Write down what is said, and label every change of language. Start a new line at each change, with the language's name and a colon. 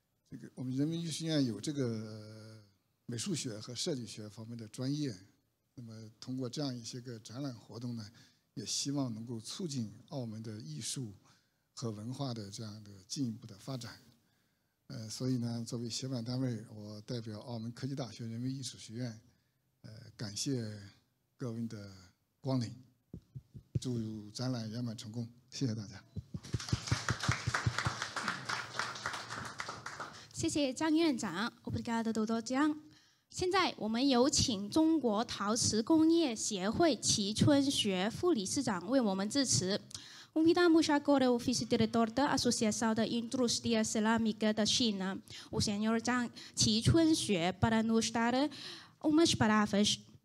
Chinese: 这个我们人民艺术学院有这个美术学和设计学方面的专业，那么通过这样一些个展览活动呢，也希望能够促进澳门的艺术和文化的这样的进一步的发展。所以呢，作为协办单位，我代表澳门科技大学人民艺术学院，感谢各位的光临。祝展览圆满成功，谢谢大家。谢谢张院长 ，
Portuguese: Obrigado, Doutor Jiang。
Chinese: 现在我们有请中国陶瓷工业协会齐春学副理事长为我们致辞。
Portuguese: Convidamos agora o vice-diretor da Associação da Indústria Cerâmica da China, o senhor Zhang Qi Chunxue, para nos dar umas palavras.